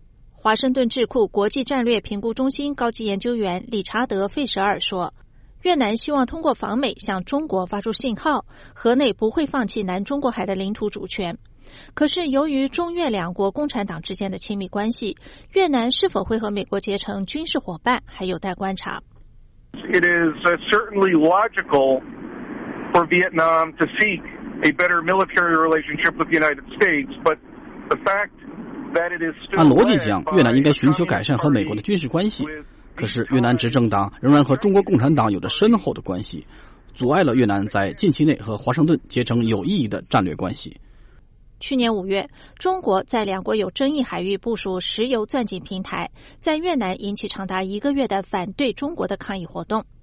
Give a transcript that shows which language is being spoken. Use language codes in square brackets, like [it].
[zh] 华盛顿智库国际战略评估中心高级研究员理查德·费舍尔说，越南希望通过访美向中国发出信号，河内不会放弃南中国海的领土主权。可是由于中越两国共产党之间的亲密关系，越南是否会和美国结成军事伙伴还有待观察。 [en] It is certainly logical for Vietnam to seek a better military relationship with the United States, but the fact that it is still [zh] 按逻辑讲，越南应该寻求改善和美国的军事关系。可是越南执政党仍然和中国共产党有着深厚的关系，阻碍了越南在近期内和华盛顿结成有意义的战略关系。去年五月，中国在两国有争议海域部署石油钻井平台，在越南引起长达一个月的反对中国的抗议活动。